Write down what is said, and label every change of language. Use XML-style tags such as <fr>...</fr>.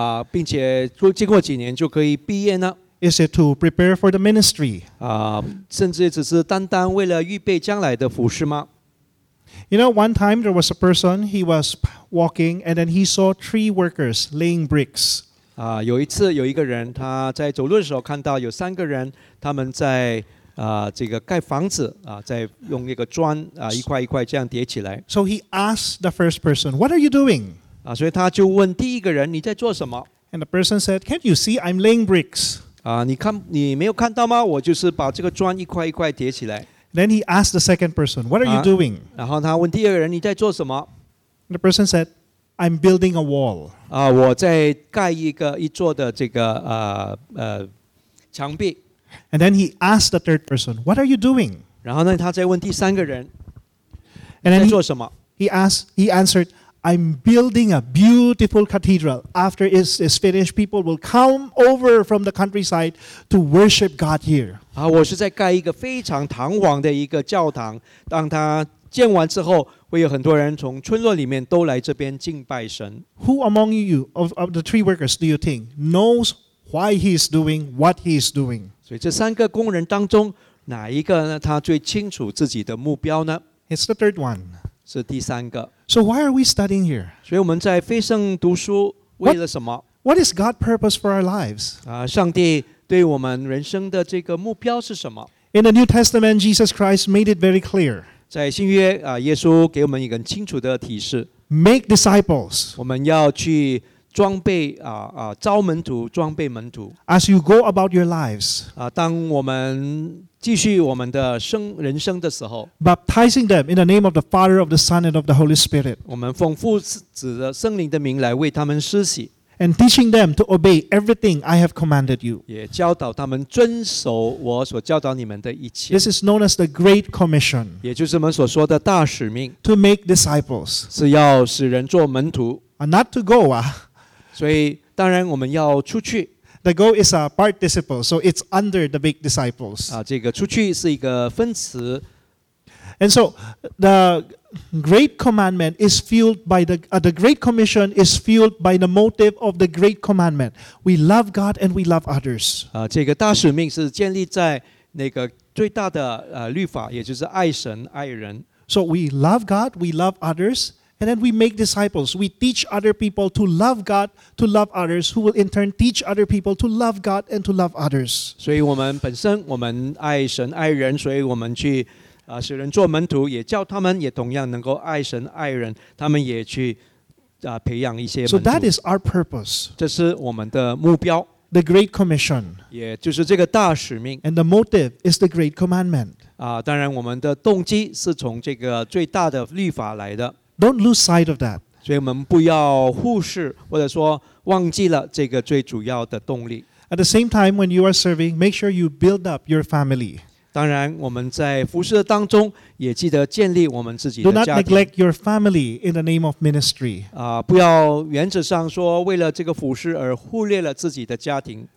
<zh>并且经过几年就可以毕业呢？</zh> <en>Is it to prepare for the ministry?</en> <zh>甚至只是单单为了预备将来的服事吗？</zh> <en>You know, one time there was a person, he was walking, and then he saw three workers laying bricks.</en> <zh>有一次有一个人，他在走路的时候看到有三个人，他们在这个盖房子，在用一个砖，一块一块这样叠起来。</zh> <en>So he asked the first person, what are you doing?</en> <zh>所以他就问第一个人，你在做什么？</zh> <en>And the person said, can't you see I'm laying bricks?</en> <zh>你没有看到吗？我就是把这个砖一块一块叠起来。</zh> <en>Then he asked the second person, what are you doing?</en> <zh>然后他问第二个人，你在做什么？</zh> <en>The person said, I'm building a wall.</en> <zh>我在盖一座的这个墙壁。</zh> <en>And then he asked the third person, what are you doing?</en> <zh>然后呢，他再问第三个人，你在做什么？</zh> <en>He answered,I'm building a beautiful cathedral. After it's finished, people will come over from the countryside to worship God here.</en> <zh>我是在盖一个非常堂皇的一个教堂，当它建完之后，会有很多人从村落里面都来这边敬拜神。</zh> <en>Who among you of the three workers do you think knows why he's doing what he's doing?</en> <zh>所以这三个工人当中，哪一个呢？他最清楚自己的目标呢？</zh> <en>It's the third one.</en> <zh>是第三个。</zh> <en>So why are we studying here?</en> <zh>所以我们在非圣读书为了什么？</zh> <en>What is God's purpose for our lives?</en> <zh>上帝对我们人生的这个目标是什么？</zh> <en>In the New Testament, Jesus Christ made it very clear.</en> <zh>在新约，耶稣给我们一个很清楚的提示。</zh> <en>Make disciples.</en> <zh>我们要去装备招门徒，装备门徒。</zh> <en>As you go about your lives.</en> <zh>当我们继续我们的人生的时候，</zh> <en>baptizing them in the name of the Father, of the Son, and of the Holy Spirit.</en> <zh>我们奉父子的圣灵的名来为他们施洗。</zh> <en>and teaching them to obey everything I have commanded you.</en> <zh>也教导他们遵守我所教导你们的一切。</zh> <en>This is known as the Great Commission.</en> <zh>也就是我们所说的大使命。</zh> <en>To make disciples.</en> <zh>是要使人做门徒。</zh> <en>Not to go.</en> <zh>所以当然我们要出去。</zh> <en>The go is a participle, so it's under the big disciples.</en> <zh>这个出去是一个分词。</zh> <en>And so the great commandment is fueled by the great commission is fueled by the motive of the great commandment. We love God and we love others.</en> <zh>这个大使命是建立在那个最大的律法，也就是爱神爱人。</zh> <en>So we love God, we love others. And then we make disciples. We teach other people to love God, to love others, who will in turn teach other people to love God and to love others.</en> <zh>所以我们本身，我们爱神爱人，所以我们去使人做门徒，也教他们也同样能够爱神爱人，他们也去培养一些门徒。</zh> <en>So that is our purpose.</en> <zh>这是我们的目标。</zh> <en>The Great Commission.</en> <zh>也就是这个大使命。</zh> <en>And the motive is the Great Commandment.</en> <zh>当然我们的动机是从这个最大的律法来的。</zh> <en>Don't lose sight of that.</en> <zh>所以我们不要忽视或者说忘记了这个最主要的动力。</zh> <en>At the same time, when you are serving, make sure you build up your family.</en> <zh>当然我们在服事当中也记得建立我们自己的家庭。</zh> <en>Do not neglect your family in the name of ministry.</en> <zh>不要原则上说为了这个服事而忽略了自己的家庭。</zh>